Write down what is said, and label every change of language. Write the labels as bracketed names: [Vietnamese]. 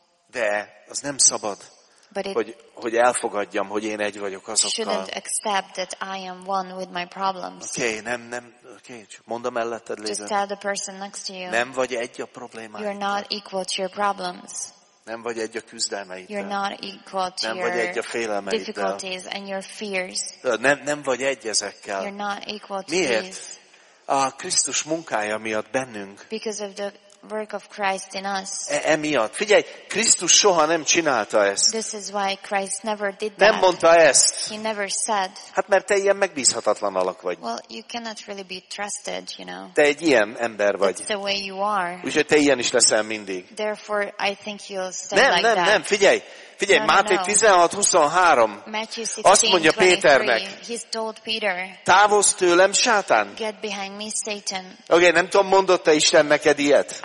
[Hungarian] De az nem szabad, hogy elfogadjam, hogy én egy vagyok azokkal. [English] Shouldn't accept that I am one with my problems. [Hungarian] Okay, nem. Okay, mondom melletted [English] lézen. Just tell the person next to you. [Hungarian] Nem vagy egy a problémáiddal. [English] You're not equal to your problems. [Hungarian] Nem vagy egy a küzdelmeiddel. [English] You're not equal to [Hungarian] nem vagy egy a félelmeiddel. [English] Difficulties and your fears. [Hungarian] Nem vagy egy ezekkel. [English] You're not equal to [Hungarian] miért? [English] These. [Hungarian] A Krisztus munkája miatt bennünk. [English] Because of the work of Christ in us. [Hungarian] Emiatt. Figyelj, Krisztus soha nem csinálta ezt. [English] This is why Christ never did that. [Hungarian] Nem mondta ezt. [English] He never said. [Hungarian] Hát mert te ilyen megbízhatatlan alak vagy. [English] Well, you cannot really be trusted, you know. [Hungarian] Te egy ilyen ember vagy. [English] That's the way you are. [Hungarian] Úgyhogy te ilyen is leszel mindig. [English] Therefore, I think you'll stay [Hungarian] nem, [English] like [Hungarian] nem, [English] that. [Hungarian] Nem, figyelj. Figyelj, Máté 16:23. Azt mondja Péternek. Távozz tőlem, Sátán. [English] Get behind me, Satan. [Hungarian] Okay, nem tudom, mondott-e Isten neked ilyet?